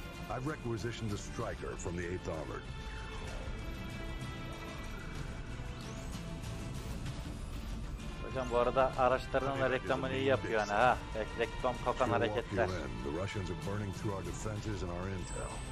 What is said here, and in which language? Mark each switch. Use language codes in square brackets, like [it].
[en] I've requisitioned a striker from the 8th Armored. [tr] Hocam bu arada araçlarının reklamını iyi yapıyor hani, ha. Reklam kokan hareketler. [en] The Russians are burning through our defenses and our intel.